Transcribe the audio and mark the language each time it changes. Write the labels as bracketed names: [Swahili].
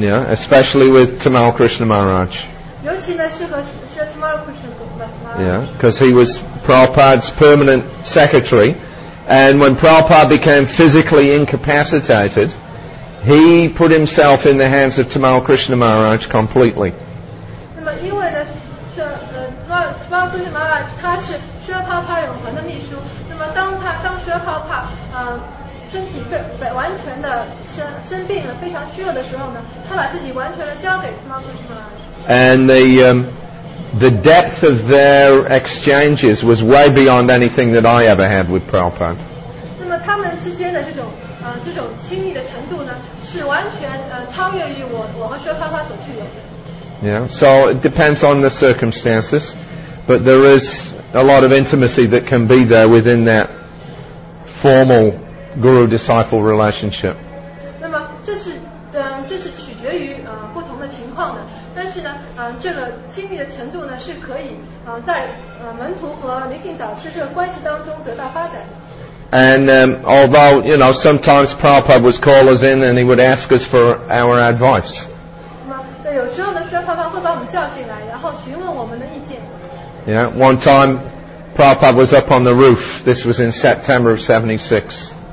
[English] Yeah, especially with Tamal Krishna Maharaj. [Chinese] 尤其呢是和 Tamal Krishna Maharaj. [English] Yeah, because he was Prabhupada's permanent secretary, and when Prabhupada became physically incapacitated, he put himself in the hands of Tamal Krishna Maharaj completely. [Chinese] 那么因为呢，Tamal Krishna Maharaj 他是薛啪啪永恒的秘书，那么当薛啪啪身体被完全的生病了，非常虚弱的时候呢，他把自己完全的交给 Tamal Krishna Maharaj。 [English] And the depth of their exchanges was way beyond anything that I ever had with Prabhupada。 [Chinese] 那么他们之间的这种亲密的程度呢，是完全超越于我和薛啪啪所具有的。 [English] Yeah, so it depends on the circumstances, but there is a lot of intimacy that can be there within that formal guru-disciple relationship. [Chinese] 那么这是取决于不同的情况的，但是呢，这个亲密的程度呢是可以在门徒和灵性导师这个关系当中得到发展。 [English] And although you know sometimes Prabhupada would call us in and he would ask us for our advice. [Chinese] 有时候呢，薛啪啪会把我们叫进来，然后询问我们的意见。 [English] Yeah, one time, Prabhupada was up on the roof. This was in September of 76.